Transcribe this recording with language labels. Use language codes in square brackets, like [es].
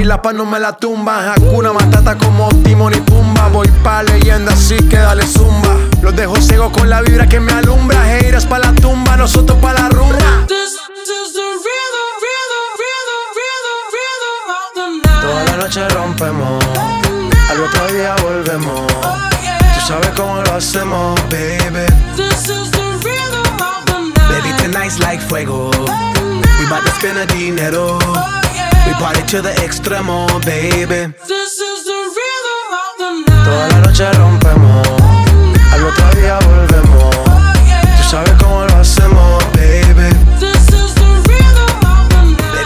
[es] No me la tumba, Hakuna Matata como Timón y Pumba. Voy pa' leyenda, así que dale zumba. Los dejo ciego con la vibra que me alumbra. Haters pa' la tumba, nosotros pa' la rumba. [en] This is the rhythm, rhythm, rhythm, rhythm, rhythm of the night. [es] Toda la noche rompemos, al otro día volvemos. [en] Oh, yeah. [es] Tú sabes cómo lo hacemos, baby. [en] This is the rhythm of the night. Baby, tonight's like fuego. Tonight. We bout to spend the dinero. Oh, yeah. We party to the extremo, baby. This is the rhythm of the night. [es] Toda la noche rompemos, al otro día volvemos. [en] Oh, yeah. [es] Tú sabes cómo lo hacemos, baby. [en] This is the rhythm of the night.